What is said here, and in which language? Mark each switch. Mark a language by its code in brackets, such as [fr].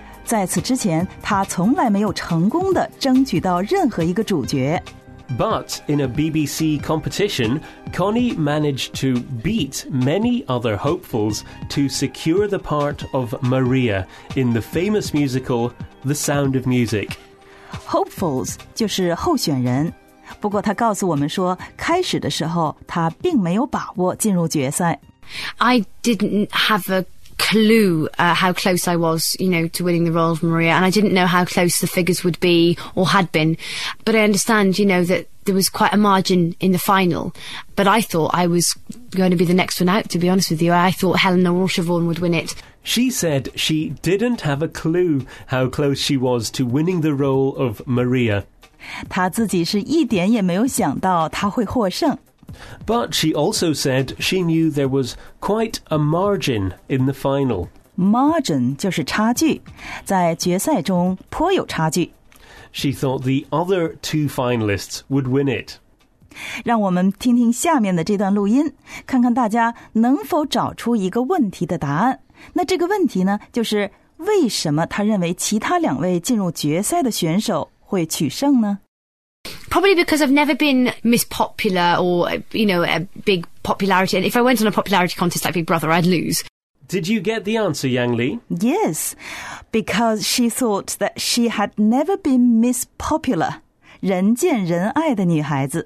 [zh] 在此之前，她从来没有成功地争取到任何一个主角。 [en] But in a BBC competition, Connie managed to beat many other hopefuls to secure the part of Maria in the famous musical The Sound of Music. [zh] Hopefuls 就是候选人，不过他告诉我们说，开始的时候他并没有把握进入决赛。 [en] I didn't have a clue, how close I was, you know, to winning the role of Maria, and I didn't know how close the figures would be or had been. But I understand, you know, that there was quite a margin in the final. But I thought I was going to be the next one out. To be honest with you, I thought Helena Rochevaughn would win it. She said she didn't have a clue how close she was to winning the role of Maria. [zh] 她自己是一点也没有想到她会获胜。 [en] But she also said she knew there was quite a margin in the final. [zh] Margin 就是差距，在决赛中颇有差距。 [en] She thought the other two finalists would win it. [zh] 让我们听听下面的这段录音，看看大家能否找出一个问题的答案。那这个问题呢，就是为什么他认为其他两位进入决赛的选手会取胜呢？ [en] Probably because I've never been Miss Popular or, you know, a big popularity. And if I went on a popularity contest like Big Brother, I'd lose. Did you get the answer, Yang Li? Yes, because she thought that she had never been Miss Popular, 人见人爱的女孩子。